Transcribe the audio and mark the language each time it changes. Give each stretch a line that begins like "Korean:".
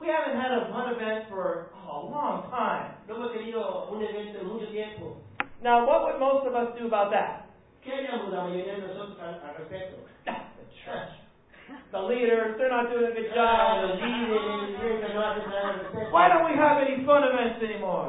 English: we haven't had a one event for a long time.
Spanish: No hemos tenido un evento en mucho tiempo.
English: Now, what would most of us do about that?
Spanish: ¿Qué haríamos la mayoría de nosotros al respecto?
English: The church. The leaders, they're not doing a good job. The leaders, they're not doing a good job. Why don't we have any fun events anymore?